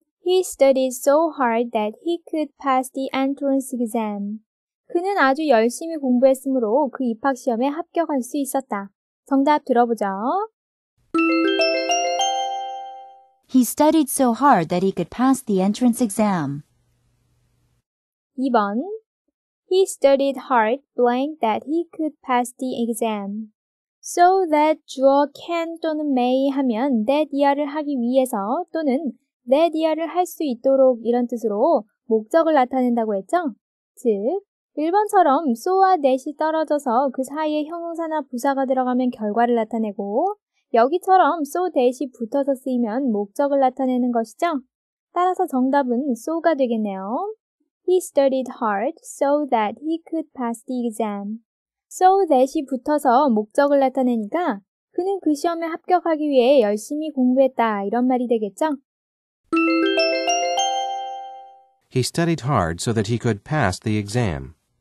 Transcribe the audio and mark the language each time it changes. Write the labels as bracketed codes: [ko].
[en] He studied so hard that he could pass the entrance exam. [ko] 그는 아주 열심히 공부했으므로 그 입학시험에 합격할 수 있었다. 정답 들어보죠. [en] He studied so hard that he could pass the entrance exam. 2번 He studied hard blank that he could pass the exam. [ko] So that 주어 can 또는 may 하면 that 이하를 하기 위해서 또는 that 이하를 할 수 있도록 이런 뜻으로 목적을 나타낸다고 했죠? 즉, 1번처럼 so와 that이 떨어져서 그 사이에 형용사나 부사가 들어가면 결과를 나타내고 여기처럼 so that이 붙어서 쓰이면 목적을 나타내는 것이죠? 따라서 정답은 so가 되겠네요. [en] He studied hard so that he could pass the exam. [ko] So that이 붙어서 목적을 나타내니까 그는 그 시험에 합격하기 위해 열심히 공부했다 이런 말이 되겠죠? [en] He studied hard so that he could pass the exam.